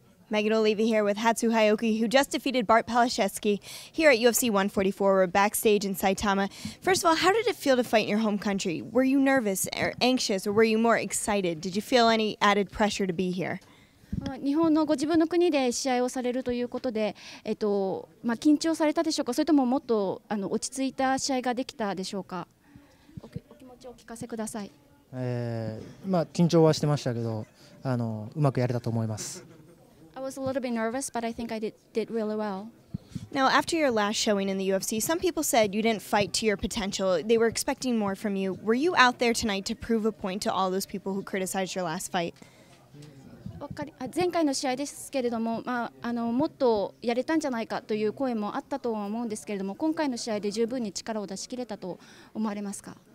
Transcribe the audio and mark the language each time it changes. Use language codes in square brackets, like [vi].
[en] Megan Olivi here with Hatsu Hioki, who just defeated Bart Palaszewski here at UFC 144. We're backstage in Saitama. First of all, how did it feel to fight in your home country? Were you nervous or anxious, or were you more excited? Did you feel any added pressure to be here? [ja] 日本のご自分の国で試合をされるということで、緊張されたでしょうか、それとももっと落ち着いた試合ができたでしょうか。お気持ちをお聞かせください。緊張はしてましたけど、うまくやれたと思います。 [en] I was a little bit nervous, but I think I did really well. Now, after your last showing in the UFC, some people said you didn't fight to your potential. They were expecting more from you. Were you out there tonight to prove a point to all those people who criticized your last fight? [ja] 前回の試合ですけれども、もっとやれたんじゃないかという声もあったとは思うんですけれども、今回の試合で十分に力を出し切れたと思われますか。